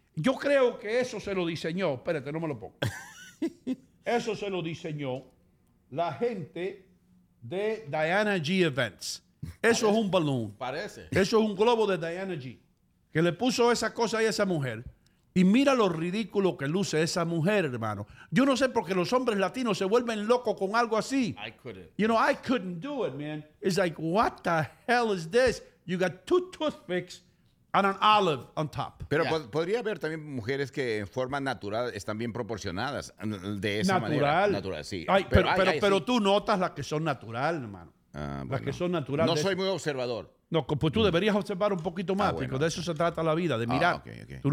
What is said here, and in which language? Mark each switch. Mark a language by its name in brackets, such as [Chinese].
[Spanish] Yo creo que eso se lo diseñó. Espérate, no me lo pongo. Eso se lo diseñó la gente de Diana G Events. Eso parece, es un balloon. Parece. Eso es un globo de Diana G. Que le puso esa cosa ahí a esa mujer. Y mira lo ridículo que luce esa mujer, hermano. Yo no sé por qué los hombres latinos se vuelven locos con algo así. [English] I couldn't. You know, I couldn't do it, man. It's like, what the hell is this? You got two toothpicks and an olive on top. [Spanish] Pero yeah. Podría haber también mujeres que en forma natural están bien proporcionadas de esa natural. Manera. Natural, sí. Ay, pero tú notas las que son natural, hermano. Bueno. Las que son natural. No soy muy observador. No, pues tú deberías observar un poquito más, porque de eso se trata la vida, de mirar. [English] Okay.